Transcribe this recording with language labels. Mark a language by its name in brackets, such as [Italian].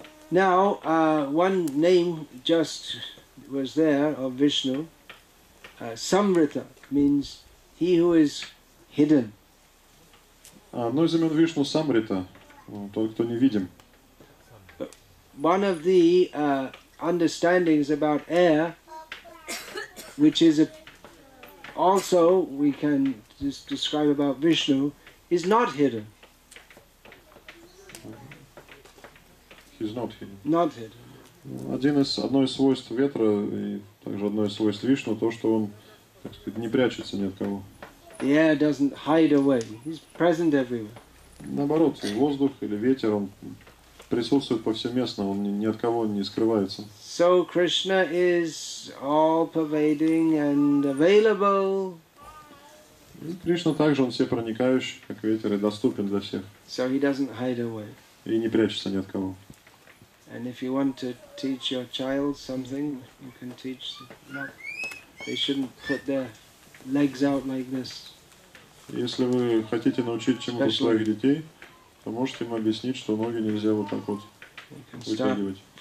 [English] Now, one name just was there of Vishnu. Samvrita means he who is hidden. [Russian] Одно из имен Вишну Самрита, тот, кто невидим. [English] One of the understandings about air, which is a also we can just describe about Vishnu, is not hidden. He's not hidden. Not hidden. [Russian] Одно из свойств ветра и также одно из свойств Вишну то, что он, так сказать, не прячется ни от кого. [English] The air doesn't hide away. He's present everywhere. [Russian] Наоборот, воздух или ветер, он присутствует повсеместно, он ни от кого не скрывается. [English] So Krishna is all-pervading and available. [Russian] И Кришна также, он всепроникающий, как ветер, и доступен для всех. [English] So he doesn't hide away. [Russian] И не прячется ни от кого. [English] And if you want to teach your child something, you can teach them. They shouldn't put their legs out like this. [Russian] Если вы хотите научить чему-то своих детей, то можете им объяснить, что ноги нельзя вот так вот вытягивать.